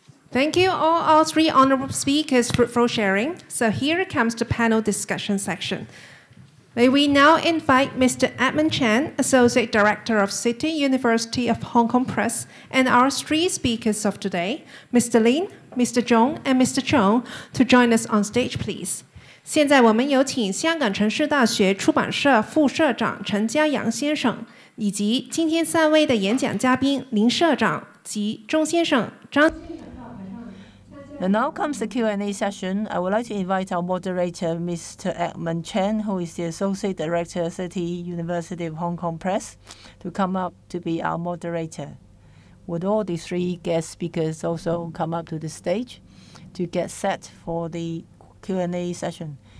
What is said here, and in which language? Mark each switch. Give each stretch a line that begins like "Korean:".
English: Thank you all three honorable speakers for sharing. So here comes the panel discussion section. May we now invite Mr. Edmund Chan, Associate Director of City University of Hong Kong Press, and our three speakers of today, Mr. Lin, Mr. Zhong, and Mr. Chong, to join us on stage, please.
Chinese: 现在我们有请香港城市大学出版社副社长陈家阳先生，以及今天三位的演讲嘉宾林社长及钟先生张。
English: And now comes the Q&A session. I would like to invite our moderator, Mr. Edmund Chan, who is the Associate Director of City University of Hong Kong Press, to come up to be our moderator. Would all the three guest speakers also come up to the stage to get set for the Q&A session?